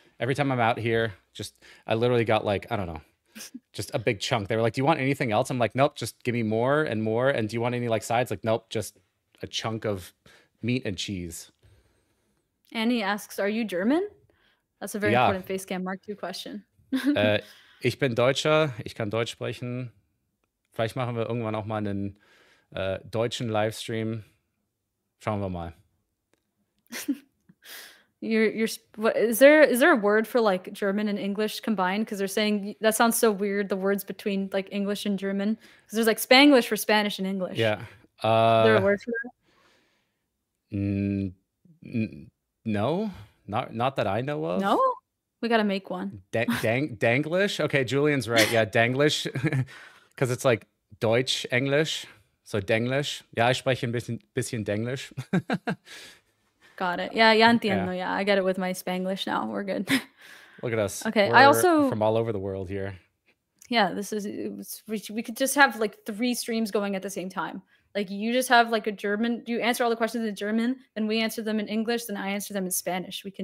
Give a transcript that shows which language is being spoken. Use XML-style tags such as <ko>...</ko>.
<en>Every time I'm out here, just I literally got like, I don't know, just a big chunk. They were like, do you want anything else? I'm like, nope, just give me more and more. And do you want any like sides? Like, nope, just a chunk of meat and cheese. Annie asks, are you German? That's a very important Facecam Mark II question.</en> <de>Ich bin Deutscher, ich kann Deutsch sprechen. Vielleicht machen wir irgendwann auch mal einen deutschen Livestream. Schauen wir mal.</de> <en>Is there a word for like German and English combined? Because they're saying that sounds so weird, the words between like English and German. Because there's like Spanglish for Spanish and English. Yeah. Is there a word for that? No, not that I know of. No? We got to make one. Danglish? Okay, Julian's right. Yeah, Danglish. Because it's like Deutsch, English. So Danglish.</en> <de>Ja, ich spreche ein bisschen Danglish.</de> <en>Got it. Yeah,</en> <es>ya entiendo.</es> <en>Yeah. Yeah, I get it with my Spanglish now. We're good. Look at us. Okay, from all over the world here. Yeah, we could just have like three streams going at the same time. Like you just have like a German, you answer all the questions in German, then we answer them in English, then I answer them in Spanish.</en>